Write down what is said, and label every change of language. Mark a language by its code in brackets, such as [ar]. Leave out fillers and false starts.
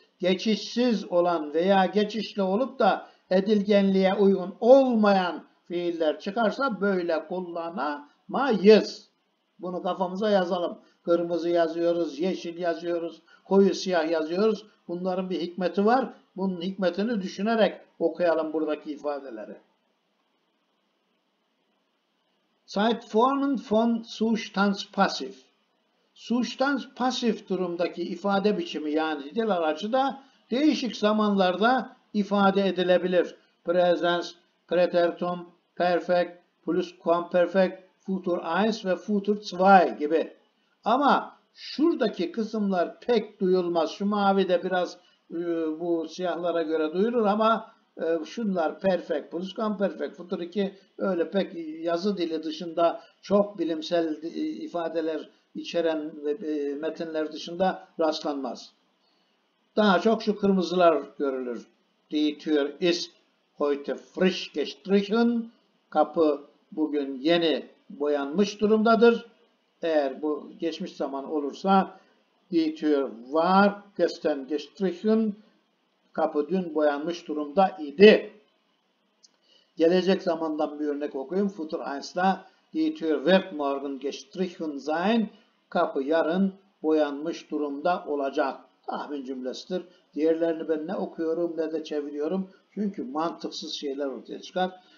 [tr] Geçişsiz olan veya geçişli olup da edilgenliğe uygun olmayan fiiller çıkarsa böyle kullanamayız. Bunu kafamıza yazalım. Kırmızı yazıyoruz, yeşil yazıyoruz, koyu siyah yazıyoruz. Bunların bir hikmeti var. Bunun hikmetini düşünerek okuyalım buradaki ifadeleri. [de] Zeitformen von Zustandspassiv. [tr] Zustandspassiv durumdaki ifade biçimi yani dil aracı da değişik zamanlarda ifade edilebilir. Präsens, Präteritum, Perfekt, Plusquamperfekt, Futur 1 ve Futur 2 gibi. Ama şuradaki kısımlar pek duyulmaz. Şu mavi de biraz bu siyahlara göre duyulur ama şunlar Perfekt, Plusquamperfekt, Futur 2 öyle pek yazı dili dışında çok bilimsel ifadeler içeren metinler dışında rastlanmaz. Daha çok şu kırmızılar görülür. [de] Die Tür ist heute frisch gestrichen. [tr] Kapı bugün yeni boyanmış durumdadır. Eğer bu geçmiş zaman olursa [de] die Tür war gestern gestrichen. [tr] Kapı dün boyanmış durumda idi. Gelecek zamandan bir örnek okuyayım. [de] Futur 1'da die Tür wird morgen gestrichen sein. [tr] Kapı yarın boyanmış durumda olacak. Tahmin cümlesidir. Diğerlerini ben ne okuyorum ne de çeviriyorum. Çünkü mantıksız şeyler ortaya çıkar.